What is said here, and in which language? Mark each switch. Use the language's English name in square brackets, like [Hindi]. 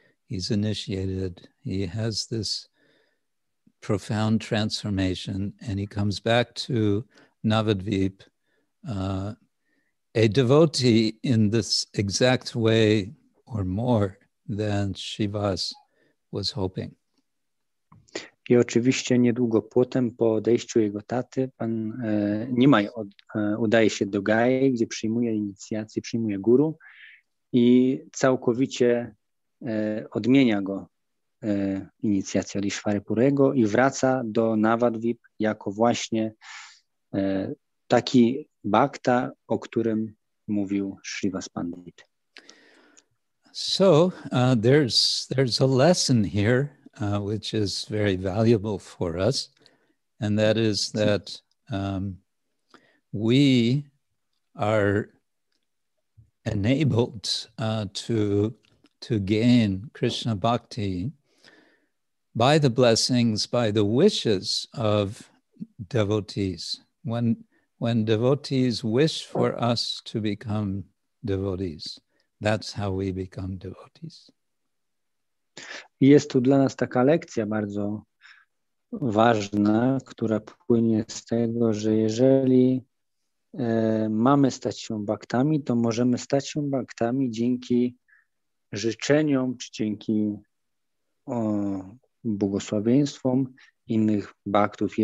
[English] He's initiated. He has this profound transformation, and he comes back to Navadvip, a devotee in this exact way or more than Shivas was hoping. [Polish] I oczywiście niedługo potem, po odejściu jego taty, pan Nimai udaje się do Gai, gdzie przyjmuje inicjację, przyjmuje guru i całkowicie odmienia go inicjacja od Ishwarapurego i wraca do Navadvip jako właśnie taki bhakta, o którym mówił Shrivas Pandit. [English] So there's a lesson here, which is very valuable for us, and that is that we are enabled to gain Krishna bhakti by the blessings, by the wishes of devotees. When devotees wish for us to become devotees, that's how we become devotees. [Polish] Jest tu dla nas taka lekcja bardzo ważna, która płynie z tego, że jeżeli mamy stać się bhaktami, to możemy stać się bhaktami dzięki życzeniom czy dzięki błogosławieństwom innych bhaktów.